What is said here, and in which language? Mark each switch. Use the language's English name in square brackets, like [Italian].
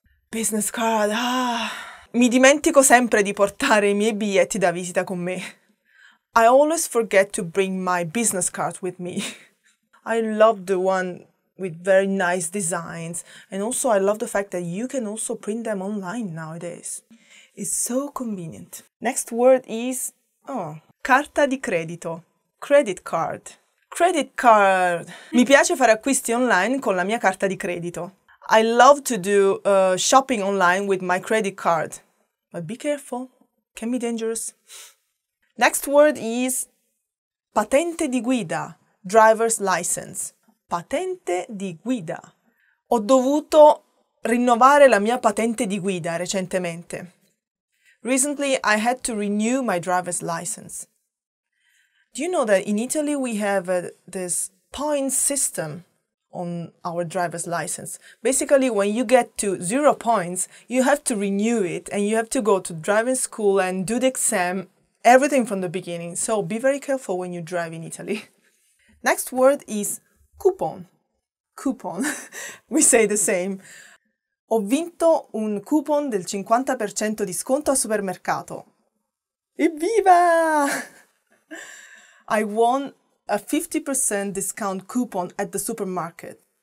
[Italian] Business card, Mi dimentico sempre di portare I miei biglietti da visita con me. [English] I always forget to bring my business card with me. I love the one with very nice designs. And also I love the fact that you can also print them online nowadays. It's so convenient. Next word is... carta di credito. Credit card. Credit card. [Italian] Mi piace fare acquisti online con la mia carta di credito. [English] I love to do shopping online with my credit card. But be careful, can be dangerous. Next word is patente di guida, driver's license. [Italian] Patente di guida. Ho dovuto rinnovare la mia patente di guida recentemente. [English] Recently, I had to renew my driver's license. Do you know that in Italy we have this point system on our driver's license? Basically, when you get to 0 points, you have to renew it and you have to go to driving school and do the exam, everything from the beginning. So be very careful when you drive in Italy. Next word is coupon. Coupon. We say the same. [Italian] Ho vinto un coupon del 50% di sconto al supermercato. Evviva! [English] I won a 50% discount coupon at the supermarket.